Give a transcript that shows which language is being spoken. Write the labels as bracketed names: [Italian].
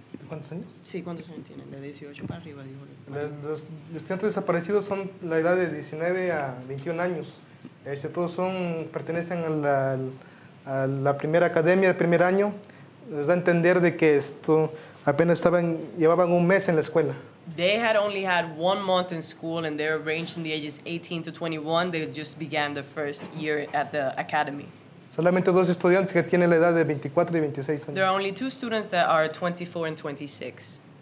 [Spanish] Los estudiantes desaparecidos son la edad de 19 a 21 años. Todos son, pertenecen a la primera academia, el primer año. Nos da a entender de que esto apenas estaban, llevaban un mes en la escuela. [English] They had only had 1 month in school and they were ranged in the ages 18 to 21. They just began the first year at the academy. [Spanish] Solamente dos estudiantes que tienen la edad de 24 y 26 años. [English] There are only two students that are 24 and 26.